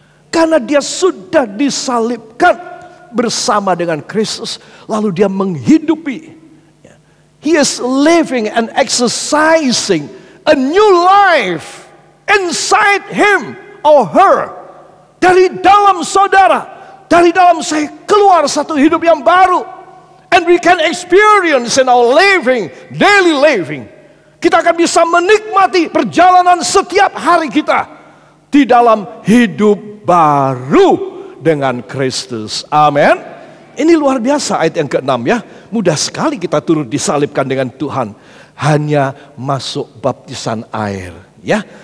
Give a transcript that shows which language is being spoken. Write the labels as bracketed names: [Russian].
[Indonesian] Karena dia sudah disalibkan bersama dengan Kristus, lalu dia menghidupi. [English] He is living and exercising a new life inside him or her. [Indonesian] Dari dalam saudara, dari dalam saya keluar satu hidup yang baru. [English] And we can experience in our living, daily living. [Indonesian] Kita akan bisa menikmati perjalanan setiap hari kita di dalam hidup baru dengan Kristus. Amin. Ini luar biasa ayat yang ke-6 ya. Mudah sekali kita turut disalibkan dengan Tuhan. Hanya masuk baptisan air ya.